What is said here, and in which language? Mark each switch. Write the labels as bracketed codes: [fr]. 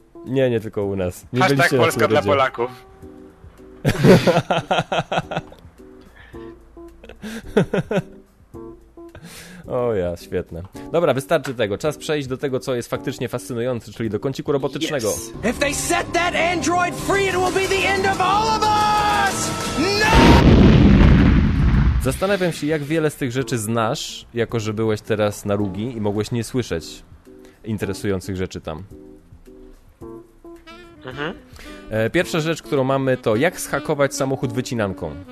[pl] Nie, nie tylko u nas. Hashtag Polska dla Polaków. O ja, świetne. Dobra, wystarczy tego. Czas przejść do tego, co jest faktycznie fascynujące, czyli do kąciku robotycznego. [en] Yes. If they set that android free, it will be the end of all of us! No! [pl] Zastanawiam się, jak wiele z tych rzeczy znasz, jako że byłeś teraz na Rugi i mogłeś nie słyszeć interesujących rzeczy tam. Mhm. Pierwsza rzecz, którą mamy, to jak zhakować samochód wycinanką.